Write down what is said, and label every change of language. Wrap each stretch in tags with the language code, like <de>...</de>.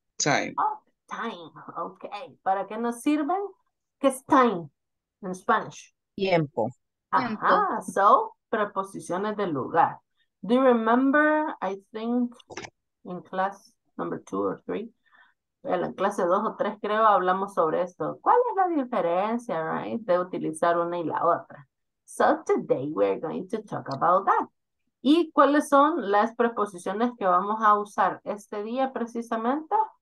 <en>time. Time, okay.</en> <es>¿Para qué nos sirven? ¿Qué es time en Spanish? Tiempo. Ajá, so, preposiciones de lugar.</es> <en>Do you remember, I think, in class number 2 or 3,</en> <es>en la clase 2 o 3, creo, hablamos sobre esto. ¿Cuál es la diferencia, right, de utilizar una y la otra?</es> <en>So today we're going to talk about that.</en> <es>¿Y cuáles son las preposiciones que vamos a usar este día precisamente?</es>